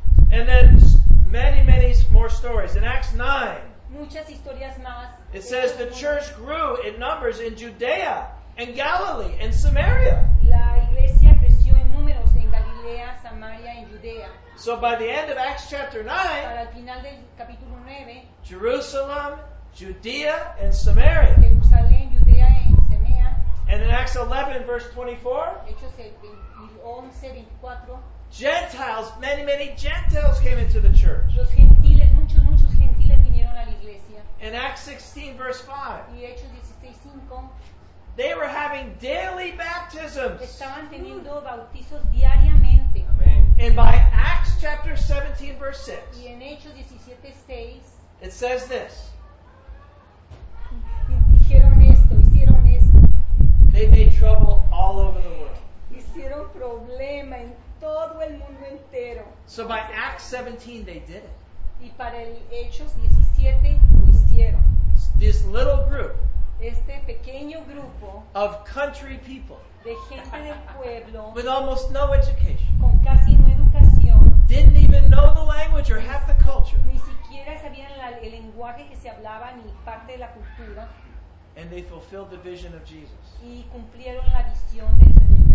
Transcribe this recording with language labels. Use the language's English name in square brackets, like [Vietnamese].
[English] And then many, many more stories. In Acts 9, [Spanish] muchas historias más. [English] It says the church grew in numbers in Judea and Galilee and Samaria. [Spanish] La iglesia creció en números en Galilea, Samaria, y Judea. [English] So by the end of Acts chapter 9, [Spanish] para el final del capítulo 9, [English] Jerusalem, Judea, and Samaria. [Spanish] Jerusalén, Judea, y Samaria. [English] And in Acts 11, verse 24, [Spanish] Hechos 11:24. [English] Gentiles, many, many Gentiles came into the church. [Spanish] Los gentiles, muchos, muchos gentiles vinieron a la iglesia. [English] In Acts 16, verse 5. [Spanish] Y Hechos 16:5. [English] They were having daily baptisms. [Spanish] Estaban teniendo bautizos diariamente. [English] Amen. And by Acts chapter 17, verse 6. [Spanish] Y en Hechos 17:6. [English] It says this. [Spanish] Y dijeron esto, hicieron esto. [English] They made trouble all over the world. [Spanish] Hicieron problema en todo el mundo entero. [English] So by Acts 17, they did it. [Spanish] Y para el Hechos 17, lo hicieron. [English] This little group, [Spanish] este pequeño grupo, [English] of country people, [Spanish] de gente del pueblo, [English] with almost no education, [Spanish] con casi no educación, [English] didn't even know the language or half the culture, [Spanish] ni siquiera sabían el lenguaje que se hablaba ni parte de la cultura, [English] and they fulfilled the vision of Jesus. [Spanish] Y cumplieron la visión de Jesús.